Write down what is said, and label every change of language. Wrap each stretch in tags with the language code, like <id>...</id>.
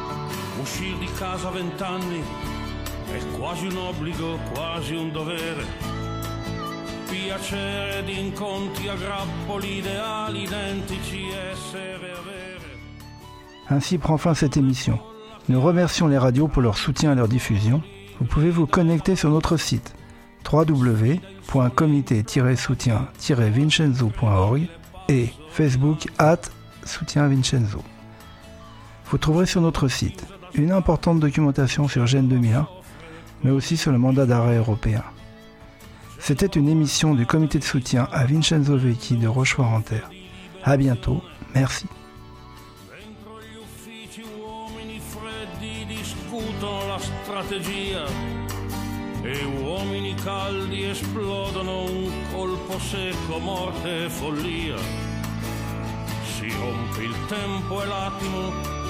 <it>A 20 anni è quasi un obbligo, quasi un dovere. Piacere di incontri a grappoli ideali identici essere avere.</it> <fr>Ainsi prend fin cette émission. Nous remercions les radios pour leur soutien à leur diffusion. Vous pouvez vous connecter sur notre site www.comité-soutien-vincenzo.org et Facebook @soutienvincenzo. Vous trouverez sur notre site une importante documentation sur Gênes 2001, mais aussi sur le mandat d'arrêt européen. C'était une émission du comité de soutien à Vincenzo Vecchi de Rochefort-en-Terre. A bientôt, merci.</fr> <it>Dentro gli uffici, uomini freddi discutono la strategia e uomini caldi esplodono un colpo secco, morte e follia. Si rompe il tempo e l'attimo.</it>